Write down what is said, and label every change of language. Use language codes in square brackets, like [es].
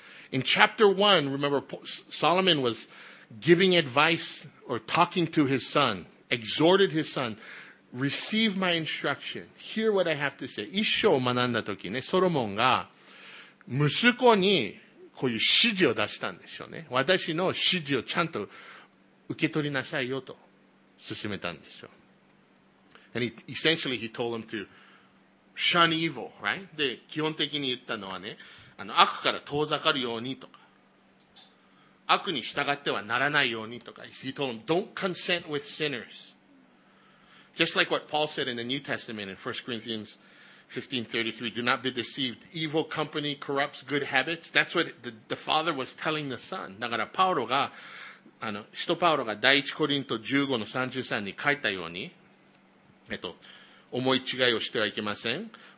[en] In chapter 1, remember, Solomon was giving advice or talking to his son, exhorted his son, receive my instruction, hear what I have to say. [ja] 一章を学んだ時ね、ソロモンが息子にこういう指示を出したんでしょうね。私の指示をちゃんと受け取りなさいよと勧めたんでしょう。 [en] And essentially he told him to shun evil, right? [ja] で、基本的に言ったのはね、悪から遠ざかるようにとか、悪に従ってはならないようにとか、 [en] he told him, don't consent with sinners. Just like what Paul said in the New Testament in 1 Corinthians 15:33, do not be deceived. Evil company corrupts good habits. That's what the father was telling the son. [ja] だからパウロが、使徒パウロが第一コリント15の33に書いたように、思い違いをしてはいけません。